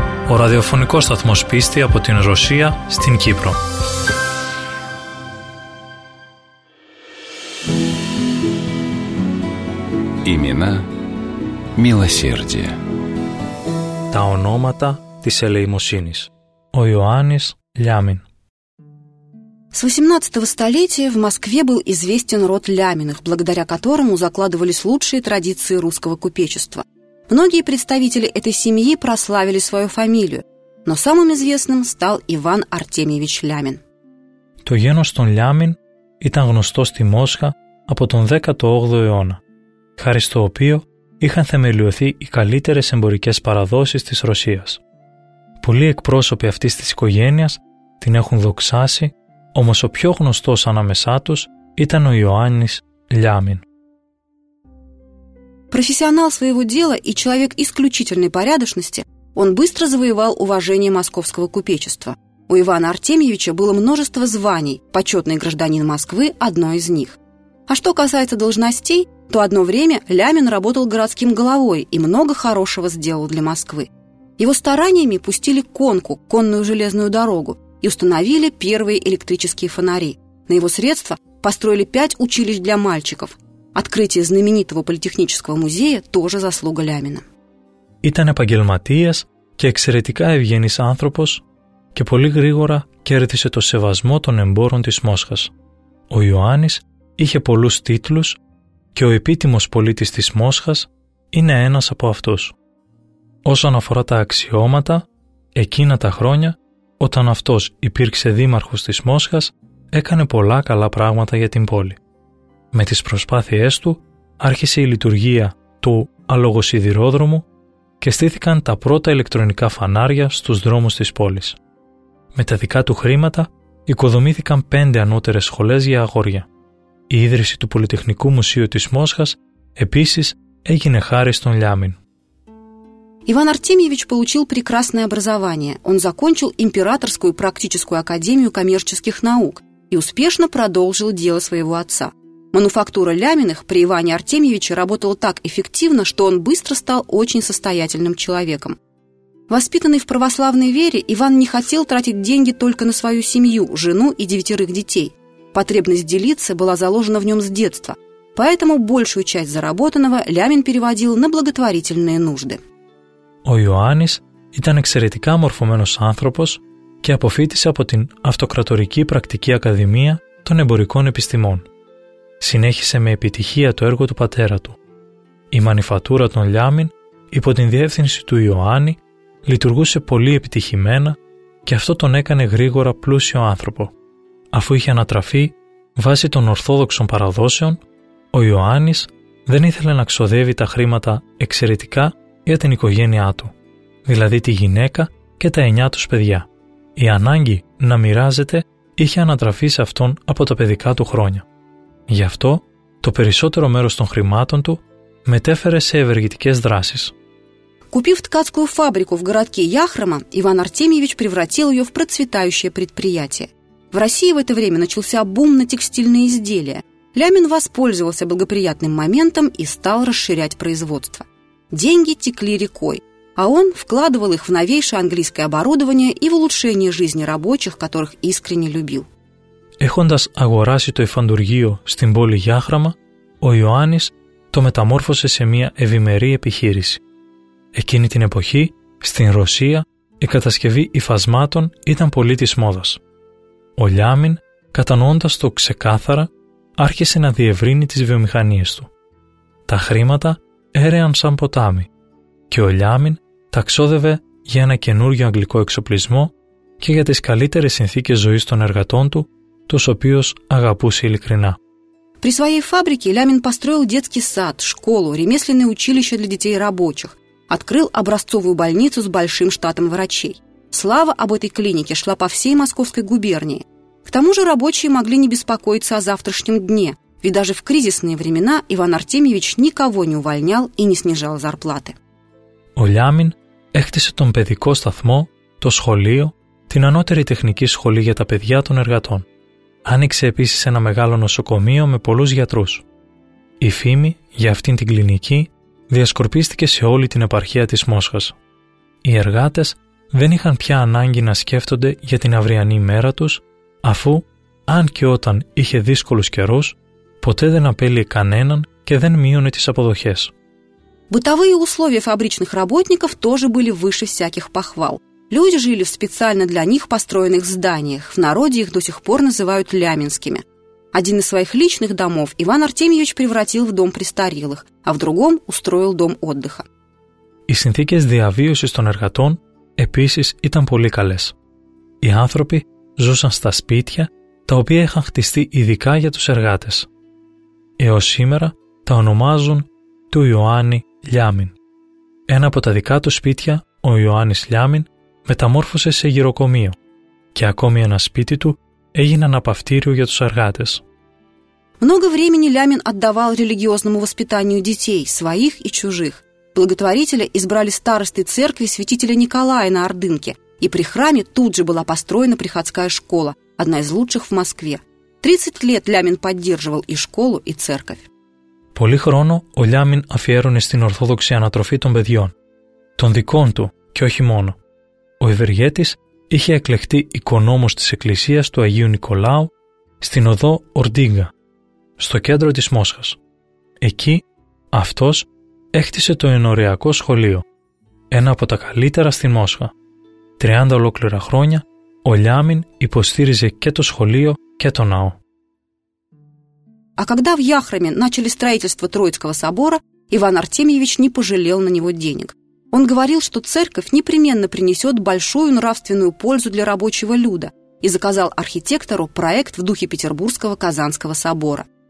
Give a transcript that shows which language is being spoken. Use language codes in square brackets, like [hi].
[el] О радиофонико сатмос писти από την Ρωσία στην Κύπρο. [ru] Имена милосердия. [el] Τα ονόματα της ελεημοσύνης. Ο Ιωάννης Λιάμιν. [ru] С 18 столетия в Москве был известен род Ляминых, благодаря которому закладывались лучшие традиции русского купечества. Многие представители этой семьи прославили свою фамилию, но самым известным стал Иван Артемьевич Лямин. [el] Το γένος των Λιάμιν ήταν γνωστό στη Μόσχα από τον 18ο αιώνα, χάρη στο οποίο είχαν θεμελιωθεί οι καλύτερες εμπορικές παραδόσεις της Ρωσίας. Πολλοί εκπρόσωποι αυτής της οικογένειας την έχουν δοξάσει, όμως ο πιο γνωστός ανάμεσά τους ήταν ο Ιωάννης Λιάμιν. [ru] Профессионал своего дела и человек исключительной порядочности, он быстро завоевал уважение московского купечества. У Ивана Артемьевича было множество званий, почетный гражданин Москвы – одно из них. А что касается должностей, то одно время Лямин работал городским головой и много хорошего сделал для Москвы. Его стараниями пустили конку, конную железную дорогу, и установили первые электрические фонари. На его средства построили 5 училищ для мальчиков. Открытие знаменитого политехнического музея – тоже заслуга Лямина. [el] Ήταν επαγγελματίας και εξαιρετικά ευγενής άνθρωπος και πολύ γρήγορα κέρδισε το σεβασμό των εμπόρων της Μόσχας. Ο Ιωάννης είχε πολλούς τίτλους και ο επίτιμος πολίτης της Μόσχας είναι ένας από αυτούς. Όσον αφορά τα αξιώματα, εκείνα τα χρόνια, όταν αυτός υπήρξε δήμαρχος της Μόσχας, έκανε πολλά καλά πράγματα για την πόλη. Με τις προσπάθειές του άρχισε η λειτουργία του αλογοσιδηρόδρομου και στήθηκαν τα πρώτα ηλεκτρονικά φανάρια στους δρόμους της πόλης. Με τα δικά του χρήματα οικοδομήθηκαν 5 ανώτερες σχολές για αγόρια. Η ίδρυση του Πολυτεχνικού Μουσείου της Μόσχας επίσης έγινε χάρη στον Λιάμιν. [ru] Иван Артемьевич получил прекрасное образование. Он закончил Императорскую практическую академию коммерческих наук и успешно продолжил дело своего отца. Мануфактура Ляминых при Иване Артемьевиче работала так эффективно, что он быстро стал очень состоятельным человеком. Воспитанный в православной вере, Иван не хотел тратить деньги только на свою семью, жену и 9 детей. Потребность делиться была заложена в нем с детства, поэтому большую часть заработанного Лямин переводил на благотворительные нужды. [el] Ο Ιωάννης ήταν εξαιρετικά μορφωμένος άνθρωπος και αποφύτησε από την Αυτοκρατορική Πρακτική Ακαδημία των Εμπορικών Επιστημών. Συνέχισε με επιτυχία το έργο του πατέρα του. Η μανιφατούρα των Λιάμιν, υπό την διεύθυνση του Ιωάννη, λειτουργούσε πολύ επιτυχημένα και αυτό τον έκανε γρήγορα πλούσιο άνθρωπο. Αφού είχε ανατραφεί βάσει των Ορθόδοξων παραδόσεων, ο Ιωάννης δεν ήθελε να ξοδεύει τα χρήματα εξαιρετικά για την οικογένειά του, δηλαδή τη γυναίκα και τα 9 τους παιδιά. Η ανάγκη να μοιράζεται είχε ανατραφεί σε αυτόν από τα παιδικά του χρόνια. Γι' αυτό το περισσότερο μέρος των χρημάτων του μετέφερε σε ευεργετικές δράσεις. [ru] Купив ткацкую фабрику в городке Яхрома, Иван Артемьевич превратил ее в процветающее предприятие. В России в это время начался бум на текстильные изделия. Лямин воспользовался благоприятным моментом и стал расширять производство. Деньги текли рекой, а он вкладывал их в новейшее английское оборудование и в улучшение жизни рабочих, которых искренне любил. [el] Έχοντας αγοράσει το υφαντουργείο στην πόλη Γιάχραμα, ο Ιωάννης το μεταμόρφωσε σε μια ευημερή επιχείρηση. Εκείνη την εποχή, στην Ρωσία, η κατασκευή υφασμάτων ήταν πολύ της μόδας. Ο Λιάμιν, κατανοώντας το ξεκάθαρα, άρχισε να διευρύνει τις βιομηχανίες του. Τα χρήματα έρεαν σαν ποτάμι και ο Λιάμιν ταξόδευε για ένα καινούργιο αγγλικό εξοπλισμό και για τις καλύτερες συνθήκες ζωής των εργατών του, τους οποίους αγαπούσε ειλικρινά. [ru] При своей фабрике Лямин построил детский сад, школу, ремесленное училище для детей рабочих, открыл образцовую больницу с большим штатом врачей. Слава об этой клинике шла по всей Московской губернии. К тому же рабочие могли не беспокоиться о завтрашнем дне, ведь даже в кризисные времена Иван Артемьевич никого не увольнял и не снижал зарплаты. [el] Ο Λιάμιν έκτισε τον παιδικό σταθμό, το σχολείο, την ανώτερη τεχνική σχολή για τα παιδιά των εργατών. Άνοιξε επίσης ένα μεγάλο νοσοκομείο με πολλούς γιατρούς. Η φήμη για αυτήν την κλινική διασκορπίστηκε σε όλη την επαρχία της Μόσχας. Οι εργάτες δεν είχαν πια ανάγκη να σκέφτονται για την αυριανή μέρα τους, αφού, αν και όταν είχε δύσκολους καιρούς, ποτέ δεν απέλυε κανέναν και δεν μείωνε τις αποδοχές. [ru] Бытовые условия фабричных работников тоже были выше всяких похвал. Люди жили в специально для них построенных зданиях, в народе их до сих пор называют ляминскими. Один из своих личных домов Иван Артемьевич превратил в дом престарелых, а в другом устроил дом отдыха. [el] Οι συνθήκες διαβίωσης των εργατών επίσης ήταν πολύ καλές. Οι άνθρωποι ζούσαν στα σπίτια, τα οποία είχαν χτιστεί ειδικά για τους εργάτες. Έως σήμερα τα ονομάζουν του Ιωάννη Λιάμιν. Ένα από τα δικά του σπίτια, ο Ιωάννης Λιάμιν, μεταμόρφωσε σε γυροκομείο και ακόμη ένα σπίτι του έγινε αναπαυτήριο για τους εργάτες. [ru] Много времени Лямин отдавал религиозному воспитанию детей, своих и чужих. Благотворителя избрали старостой церкви святителя Николая на Ордынке, и при храме тут же была построена приходская школа, одна из лучших в Москве. 30 лет Лямин поддерживал и школу, и церковь. [el] Πολύ χρόνο ο Λιάμιν αφιέρωνε στην ορθόδοξη ανατροφή των παιδιών, των δικών του και όχι μόνο. Ο Ευεργέτης είχε εκλεχτεί οικονόμος της Εκκλησίας του Αγίου Νικολάου στην οδό Ορντίγκα, στο κέντρο της Μόσχας. Εκεί αυτός έκτισε το ενωριακό σχολείο, ένα από τα καλύτερα στη Μόσχα. 30 ολόκληρα χρόνια ο Λιάμιν υποστήριζε και το σχολείο και το ναό. [ru] А когда в Яхраме начали строительство Троицкого собора, Иван Артемьевич не пожалел на него денег. Он говорил, что церковь непременно принесет большую нравственную пользу для рабочего люда и заказал архитектору проект в духе Петербургского Казанского собора.